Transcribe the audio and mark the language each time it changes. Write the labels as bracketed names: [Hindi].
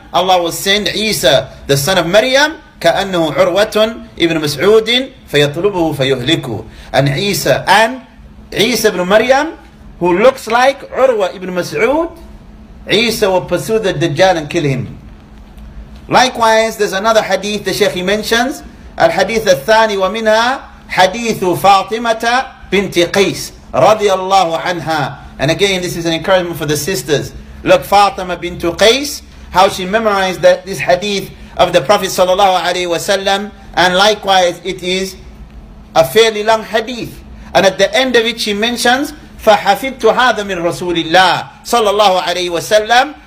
[English] Allah will send Isa, the son of Maryam, [Arabic] كأنه عروة ابن مسعود فيطلبه فيهلكه. [English] And Isa ibn Maryam, who looks like عروة ibn مسعود, Isa will pursue the Dajjal and kill him. Likewise, there's another hadith the Shaykh mentions, [Arabic] الحديث الثاني ومنها حديث فاطمة بنت قيس رضي الله عنها. [English] And again, this is an encouragement for the sisters. Look, Fatima bint Qais, how she memorized that this hadith of the Prophet sallallahu alaihi wasallam, and likewise it is a fairly long hadith, and at the end of it she mentions [Arabic] فَحَفِدْتُ هَذَا مِنْ رَسُولِ اللَّهِ [English] sallallahu alaihi wasallam.